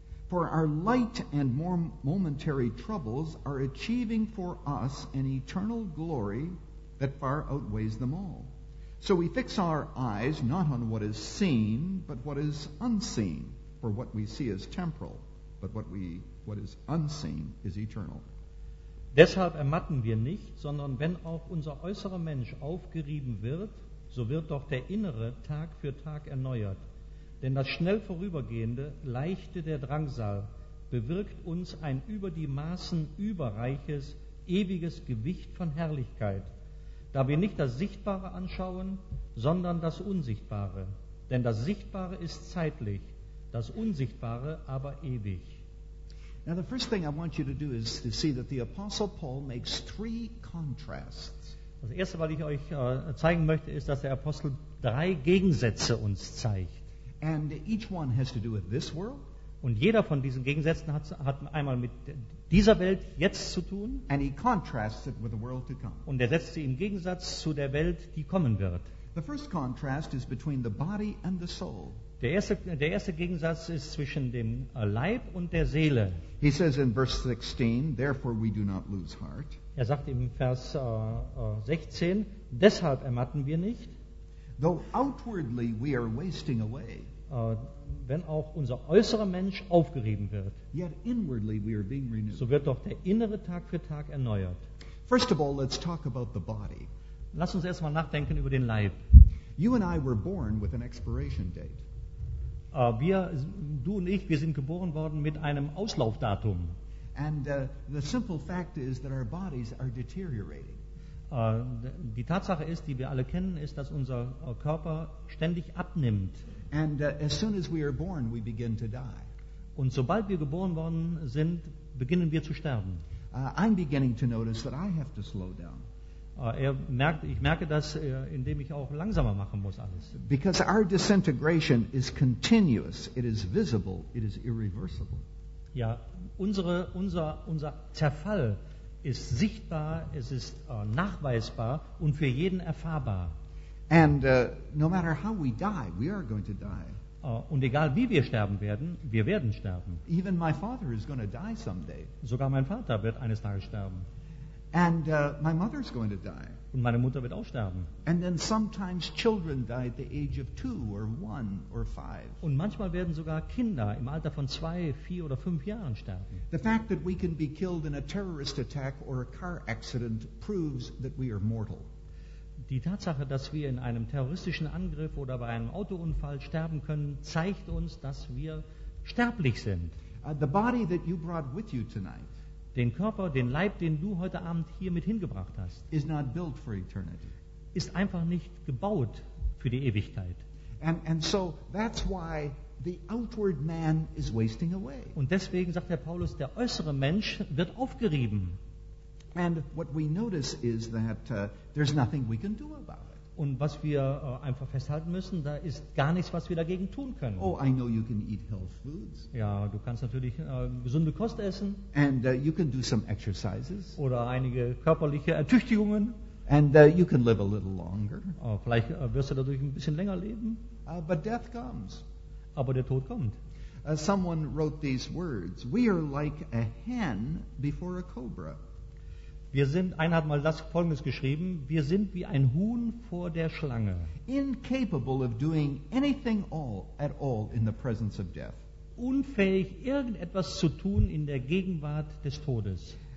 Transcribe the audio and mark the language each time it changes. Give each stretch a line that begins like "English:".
English: For our light and more momentary troubles are achieving for us an eternal glory that far outweighs them all. So we fix our eyes not on what is seen, but what is unseen, for what we see is temporal. But what is unseen is eternal.
German: Deshalb ermatten wir nicht, sondern wenn auch unser äußerer Mensch aufgerieben wird, so wird doch der innere Tag für Tag erneuert. Denn das schnell vorübergehende, leichte der Drangsal bewirkt uns ein über die Maßen überreiches, ewiges Gewicht von Herrlichkeit, da wir nicht das Sichtbare anschauen, sondern das Unsichtbare. Denn das Sichtbare ist zeitlich. Das Unsichtbare aber ewig.
English: Now the first thing I want you to do is to see that the Apostle Paul makes three contrasts.
German: Das erste, was ich euch zeigen möchte, ist, dass der Apostel drei Gegensätze uns zeigt.
English: And each one has to do with this world.
German: Und jeder von diesen Gegensätzen hat einmal mit dieser Welt jetzt zu tun.
English: And he contrasts it with the world to come.
German: Und setzt sie im Gegensatz zu der Welt, die kommen wird.
English: The first contrast is between the body and the soul.
German: Der erste Gegensatz ist zwischen dem Leib und der Seele.
English: He says in verse 16, therefore we do not lose heart.
German: Er sagt im Vers 16, deshalb ermatten wir nicht.
English: Though outwardly we are wasting away.
German: Wenn auch unser äußerer Mensch aufgerieben wird.
English: Yet inwardly we are being renewed.
German: So wird doch der innere Tag für Tag erneuert.
English: First of all, let's talk about the body.
German: Lass uns erstmal nachdenken über den Leib.
English: You and I were born with an expiration date.
German: Wir sind geboren worden mit einem Auslaufdatum.
English: And the simple fact is that our bodies are deteriorating.
German: Die Tatsache ist, die wir alle kennen, ist, dass unser Körper ständig abnimmt.
English: And as soon as we are born, we begin to die.
German: Und sobald wir geboren worden sind, beginnen wir zu sterben.
English: I'm beginning to notice that I have to slow down.
German: Ich merke das, indem ich auch langsamer machen muss alles.
English: Because our disintegration is continuous, it is visible, it is irreversible.
German: Ja, unser Zerfall ist sichtbar, es ist nachweisbar und für jeden erfahrbar.
English: And no matter how we die, we are going to die.
German: Und egal wie wir sterben werden, wir werden sterben.
English: Even my father is going to die someday.
German: Sogar mein Vater wird eines Tages sterben.
English: And my mother is going to die.
German: Und meine Mutter wird auch sterben.
English: And then sometimes children die at the age of 2 or 1 or 5.
German: Und manchmal werden sogar Kinder im Alter von 2, 4 oder 5 Jahren sterben.
English: The fact that we can be killed in a terrorist attack or a car accident proves that we are mortal.
German: Die Tatsache, dass wir in einem terroristischen Angriff oder bei einem Autounfall sterben können, zeigt uns, dass wir sterblich sind.
English: The body that you brought with you tonight.
German: Den Körper, den Leib, den du heute Abend hier mit hingebracht hast,
English: is not built for eternity.
German: Ist einfach nicht gebaut für die Ewigkeit.
English: And so that's why the outward man is wasting away.
German: Und deswegen sagt der Paulus, der äußere Mensch wird aufgerieben.
English: And what we notice is that there's nothing we can do about it.
German: Und was wir einfach festhalten müssen, da ist gar nichts, was wir dagegen tun können.
English: Oh, I know you can eat health foods.
German: Ja, du kannst natürlich gesunde Kost essen.
English: And you can do some exercises.
German: Oder einige körperliche Ertüchtigungen.
English: And you can live a little longer.
German: Vielleicht wirst du dadurch ein bisschen länger leben.
English: But death comes.
German: Aber der Tod kommt.
English: Someone wrote these words. We are like a hen before a cobra.
German: Einer hat mal das Folgendes geschrieben: Wir sind wie ein Huhn vor der Schlange.
English: Incapable of doing anything at all in the presence of death.
German: unfähig, irgendetwas zu tun in der Gegenwart des Todes.